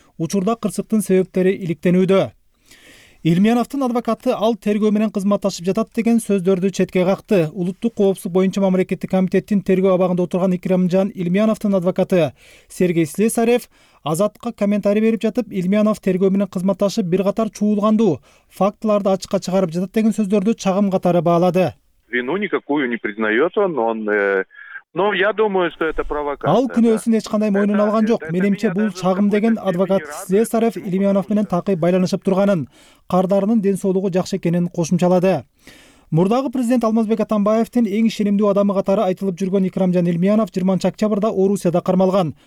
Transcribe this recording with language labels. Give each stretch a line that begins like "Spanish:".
Kyrgyz: Учурда кырсыктын себептери иликтенүүдө. Илмияновдун адвокаты ал тергөө менен кызматташып жатат деген сөздөрдү четке какты. Улуттук коопсуздук боюнча мамлекеттик комитеттин тергөө абагында отурган Икрамжан Илмияновдун адвокаты Сергей Слесарев Азатка комментарий берип жатып, Илмиянов тергөө менен кызматташып бир катар чуулганды, фактыларды ачыкка чыгарып жатат деген сөздөрдү чагым катары баалады.
Russian: Вину никакую не признаёт он, но я думаю, что это провокация.
Kyrgyz: Ал күнөөсүн эч кандай мойнуна алган жок. Менимче бул чагым деген адвокат Слесарев Илмиянов менен такый байланышып турганын, кардарынын ден соолугу жакшы экенин кошумчалады. Мурдагы президент Алмазбек Атамбаевдин эң ишенимдүү адамы катары айтылып жүргөн Икрамжан Илмиянов 20 октябрда Орусияда кармалган.